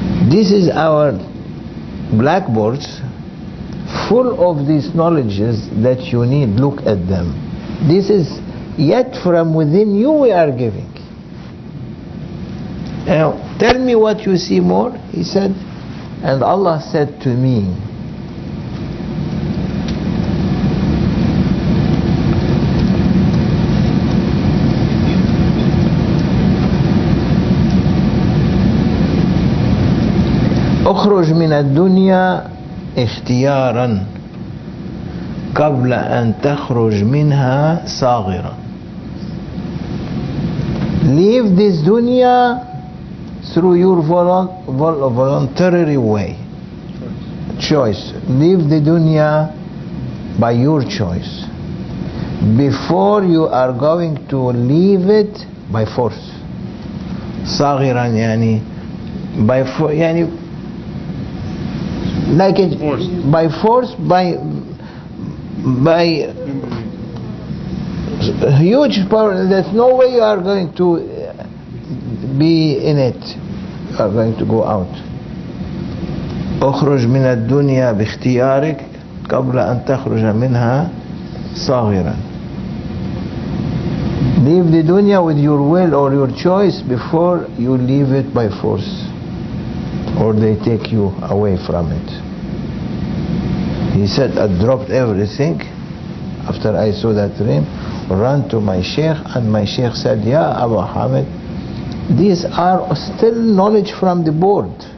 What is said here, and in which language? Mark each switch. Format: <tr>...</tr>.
<en>This is our blackboards full of these knowledges that you need. Look at them. This is yet from within you we are giving. Now, tell me what you see more, he said. And Allah said to me,</en> <ar>اخرج من الدنيا اختيارا قبل ان تخرج منها صاغرا.</ar> <en>Leave this dunya through your voluntary way, choice. Leave the dunya by your choice before you are going to leave it by force.</en> <ar>صاغرا يعني</ar> <en>by force, يعني like it force. By force, by huge power. There's no way you are going to be in it. You are going to go out.</en> <ar>أخرج من الدنيا باختيارك قبل أن تخرج منها صاغرا.</ar> <en>Leave the dunya with your will or your choice before you leave it by force, or they take you away from it. He said, I dropped everything after I saw that dream, ran to my sheikh, and my sheikh said, Ya Abu Hamid, these are still knowledge from the board.</en>